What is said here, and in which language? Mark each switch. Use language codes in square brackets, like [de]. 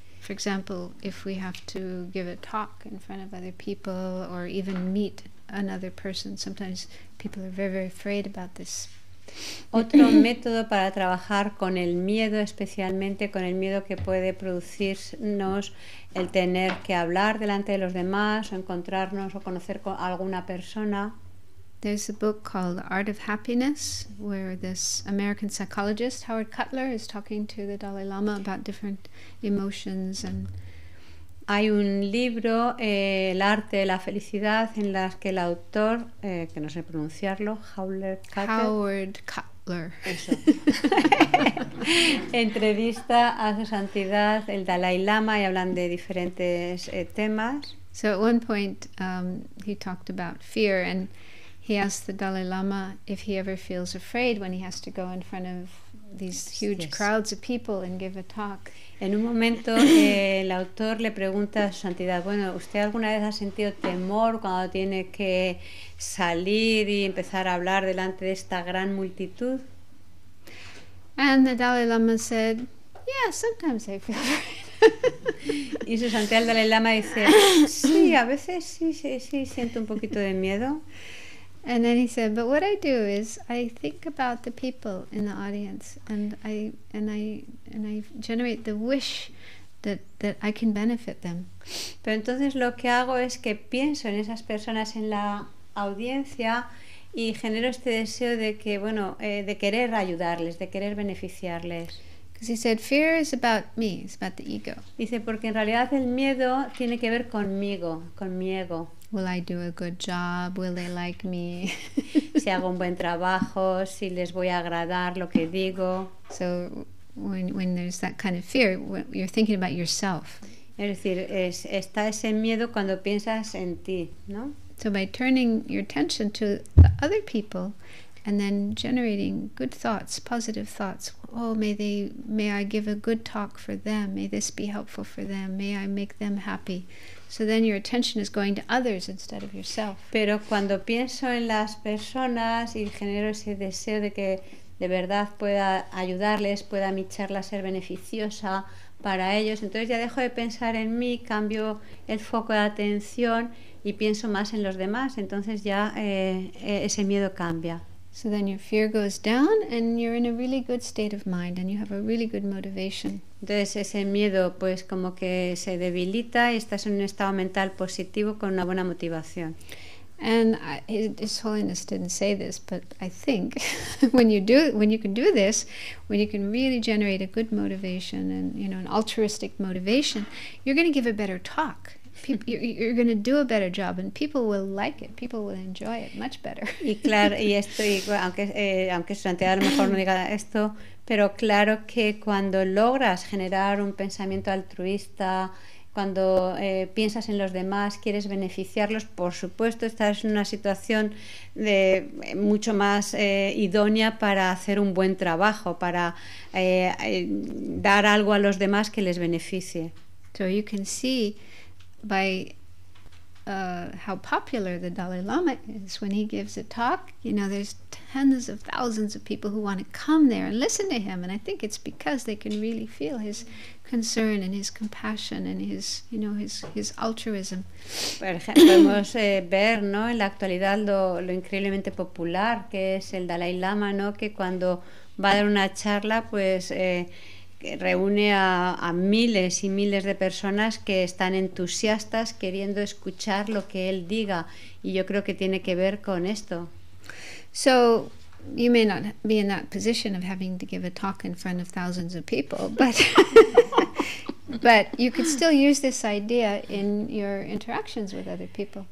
[en] For example, if we have to give a talk in front of other people or even meet another person, sometimes people are very, very afraid about this. [es] Otro método para trabajar con el miedo, especialmente con el miedo que puede producirnos el tener que hablar delante de los demás o encontrarnos o conocer con alguna persona. [en] There's a book called The Art of Happiness, where this American psychologist, Howard Cutler, is talking to the Dalai Lama about different emotions. And [es] hay un libro, El Arte de la Felicidad, en las que el autor, que no sé pronunciarlo, Howard Cutler. Entrevista a su santidad, el Dalai Lama, y hablan de diferentes temas. [en] So at one point he talked about fear, and he asked the Dalai Lama if he ever feels afraid when he has to go in front of these huge crowds of people and give a talk. [es] En un momento, el autor le pregunta a su santidad, bueno, ¿usted alguna vez ha sentido temor cuando tiene que salir y empezar a hablar delante de esta gran multitud? [en] And the Dalai Lama said, yeah, sometimes I feel afraid. [es] Y su santidad, el Dalai Lama, dice, sí, a veces sí, siento un poquito de miedo. [en] And then he said, but what I do is I think about the people in the audience and I generate the wish that I can benefit them. [es] Pero entonces lo que hago es que pienso en esas personas en la audiencia y genero este deseo de que, bueno, de querer ayudarles, de querer beneficiarles. [en] Because he said, fear is about me, it's about the ego. [es] Dice, porque en realidad el miedo tiene que ver conmigo, con mi ego. [en] Will I do a good job? Will they like me? [es] Si hago un buen trabajo, si les voy a agradar lo que digo. [en] So when there's that kind of fear, you're thinking about yourself. [es] Es decir, está ese miedo cuando piensas en ti, ¿no? [en] So by turning your attention to the other people and then generating good thoughts, positive thoughts. Oh, may I give a good talk for them. May this be helpful for them. May I make them happy. So then your attention is going to others instead of yourself. [es] Pero cuando pienso en las personas y genero ese deseo de que de verdad pueda ayudarles, pueda mi charla ser beneficiosa para ellos, entonces ya dejo de pensar en mí, cambio el foco de atención y pienso más en los demás, entonces ya ese miedo cambia. [en] So then your fear goes down and you're in a really good state of mind and you have a really good motivation. [es] Entonces ese miedo pues como que se debilita y estás en un estado mental positivo con una buena motivación. [en] And His Holiness didn't say this, but I think when you can really generate a good motivation and, you know, an altruistic motivation, you're going to give a better talk. You're going to do a better job and people will like it, people will enjoy it much better. [es] Y claro, y esto, y aunque su santidad a lo mejor no diga esto, pero claro que cuando logras generar un pensamiento altruista, cuando piensas en los demás, quieres beneficiarlos, por supuesto estás en una situación de mucho más idónea para hacer un buen trabajo, para dar algo a los demás que les beneficie. [en] So you can see by how popular the Dalai Lama is when he gives a talk, you know, there's tens of thousands of people who want to come there and listen to him. And I think it's because they can really feel his concern and his compassion and his, you know, his altruism. [es] Podemos ver, ¿no?, en la actualidad lo increíblemente popular que es el Dalai Lama, ¿no?, que cuando va a dar una charla, pues reúne a miles y miles de personas que están entusiastas queriendo escuchar lo que él diga, y yo creo que tiene que ver con esto. [en] So you may not be in that position of having to give a talk in front of thousands of people, but but you could still use this idea in your interactions with other people.